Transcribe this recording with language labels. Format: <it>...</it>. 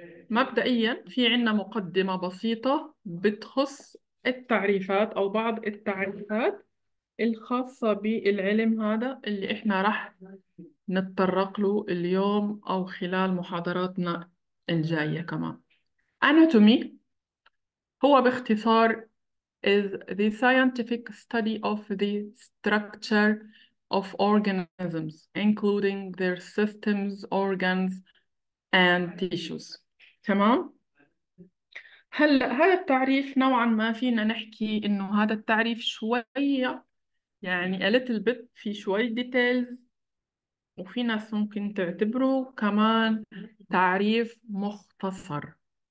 <ar>مبدئيا في عنا مقدمة بسيطة بتخص التعريفات أو بعض التعريفات الخاصة بالعلم هذا اللي إحنا راح نتطرق له اليوم أو خلال محاضراتنا الجاية كمان. أناتومي هو باختصار</ar> <en>is the scientific study of the structure of organisms, including their systems, organs, and tissues.</en> <ar>تمام؟ هلا هذا التعريف نوعا ما فينا نحكي انه هذا التعريف شوية يعني</ar> <en>a little bit</en> <ar>في شوية details، وفي ناس ممكن تعتبره كمان تعريف مختصر.</ar>